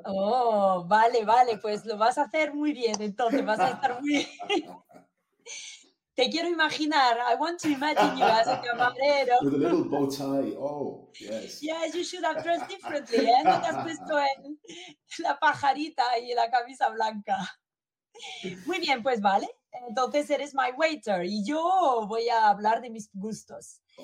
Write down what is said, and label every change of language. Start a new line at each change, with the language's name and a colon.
Spanish: Oh, vale, pues lo vas a hacer muy bien, entonces vas a estar muy bien. Te quiero imaginar.
English: I want to imagine you as a camarero. With a little bow tie. Oh, yes. Yes, you should have dressed differently. ¿Eh?
Spanish: No te has puesto en la pajarita y la camisa blanca. Muy bien, pues vale. Entonces eres
English: my waiter
Spanish: y yo voy a hablar de mis gustos.